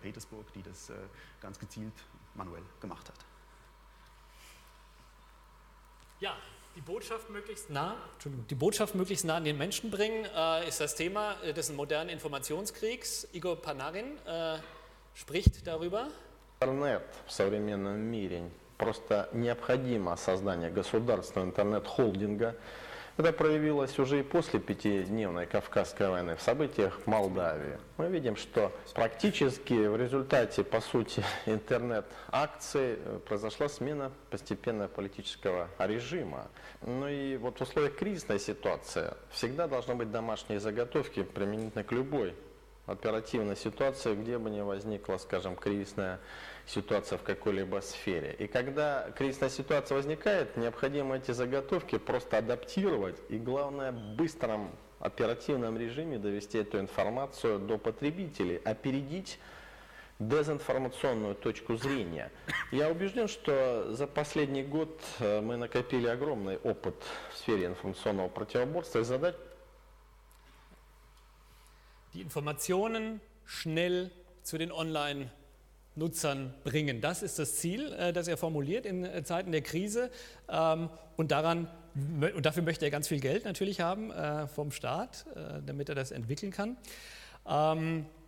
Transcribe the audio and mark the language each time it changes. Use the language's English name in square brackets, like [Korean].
[German] Petersburg, die das ganz gezielt manuell gemacht hat. Ja, die Botschaft möglichst nah an den Menschen bringen, ist das Thema des modernen Informationskriegs. Igor Panarin spricht darüber. [Russian] Интернет в современном мире просто необходимо создание государственного интернет-холдинга. Это проявилось уже и после пятидневной Кавказской войны в событиях в Молдавии. Мы видим, что практически в результате, по сути, интернет-акций произошла смена постепенно политического режима. Ну и вот в условиях кризисной ситуации всегда должны быть домашние заготовки применительно к любой оперативная ситуация, где бы ни возникла, скажем, кризисная ситуация в какой-либо сфере. И когда кризисная ситуация возникает, необходимо эти заготовки просто адаптировать и, главное, в быстром оперативном режиме довести эту информацию до потребителей, опередить дезинформационную точку зрения. Я убежден, что за последний год мы накопили огромный опыт в сфере информационного противоборства и задать [German] die Informationen schnell zu den Online-Nutzern bringen. Das ist das Ziel, das er formuliert in Zeiten der Krise. Und dafür möchte er ganz viel Geld natürlich haben vom Staat, damit er das entwickeln kann.